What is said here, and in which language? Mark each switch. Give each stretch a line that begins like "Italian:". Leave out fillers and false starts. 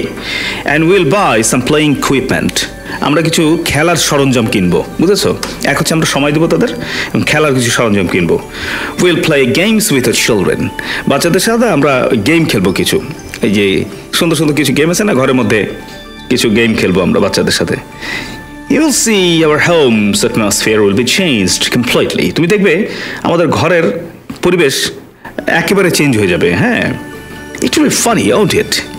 English: and will buy some playing equipment,
Bangla: আমরা কিছু খেলার সরঞ্জাম কিনবো, বুঝেছো? এক হচ্ছে আমরা সময় দেবো তাদের এবং খেলার কিছু সরঞ্জাম কিনবো।
English: will play games with the children,
Bangla: বাচ্চাদের সাথে আমরা গেম খেলবো কিছু, এই যে সুন্দর সুন্দর কিছু গেম আছে না ঘরের মধ্যে, কিছু গেম খেলবো আমরা বাচ্চাদের সাথে।
English: You will see our home's atmosphere will be changed completely.
Bangla: তুমি দেখবে আমাদের ঘরের পরিবেশ একেবারে চেঞ্জ হয়ে যাবে। হ্যাঁ,
English: It will be funny, won't it?